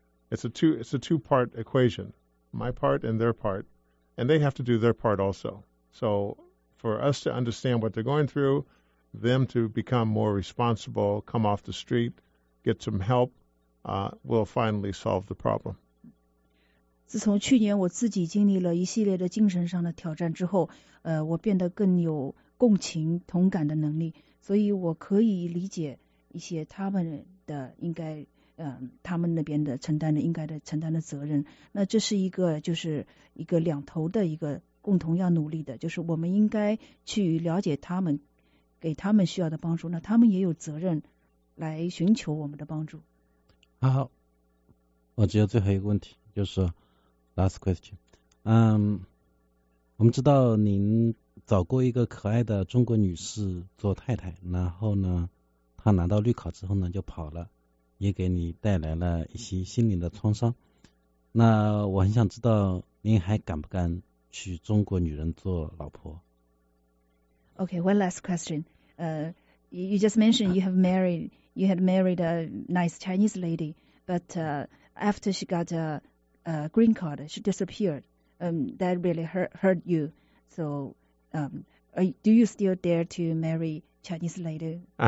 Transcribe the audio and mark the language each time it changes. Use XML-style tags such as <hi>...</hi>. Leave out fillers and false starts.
<en>It's a two-part equation, my part and their part, and they have to do their part also. So for us to understand what they're going through, them to become more responsible, come off the street, get some help, we'll finally solve the problem.</en> <zh>自从去年我自己经历了一系列的精神上的挑战之后，我变得更有共情同感的能力，所以我可以理解一些他们的应该他们那边的承担的应该的承担的责任。那这是一个就是一个两头的一个共同要努力的，就是我们应该去了解他们，给他们需要的帮助，那他们也有责任来寻求我们的帮助。好，我只有最后一个问题，就是</zh> <en>last question。</en> <zh>我们知道您找过一个可爱的中国女士做太太，然后呢她拿到绿卡之后呢就跑了，也给你带来了一些心灵的创伤。那我很想知道您还敢不敢娶中国女人做老婆。</zh> <en>Okay, one last question. You just mentioned you had married a nice Chinese lady, but after she got a green card, she disappeared. That really hurt you. So, do you still dare to marry Chinese lady?</en>